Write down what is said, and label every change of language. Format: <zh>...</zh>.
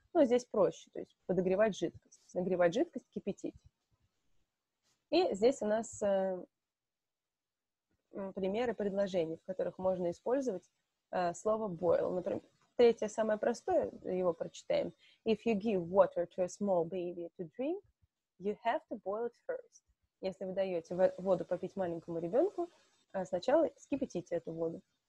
<ru>Ну, здесь проще, то есть подогревать жидкость. Нагревать жидкость, кипятить. И здесь у нас примеры предложений, в которых можно использовать слово boil. Например, третье самое простое, его прочитаем.</ru> <en>If you give water to a small baby to drink, you have to boil it first.</en> <ru>Если вы даете воду попить маленькому ребенку, сначала скипятите эту воду.</ru>